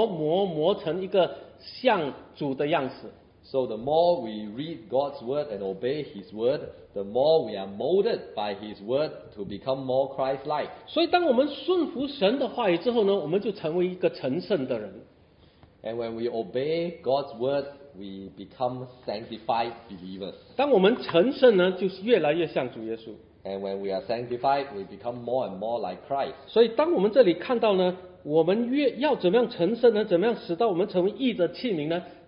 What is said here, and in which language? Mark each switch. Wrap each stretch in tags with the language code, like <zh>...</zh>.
<zh>所以当我们越读主的话，我们越读主的话，我们就被主的话语来造就，就磨磨磨成一个像主的样式。</zh> <en>So the more we read God's word and obey His word, the more we are molded by His word to become more Christ-like.</en> <zh>所以当我们顺服神的话语之后呢，我们就成为一个成圣的人。</zh> <en>And when we obey God's word, we become sanctified believers.</en> <zh>当我们成圣呢，就是越来越像主耶稣。</zh> <en>And when we are sanctified, we become more and more like Christ.</en> <zh>所以当我们这里看到呢，我们越要怎么样成圣呢？怎么样使到我们成为义的器皿呢？</zh>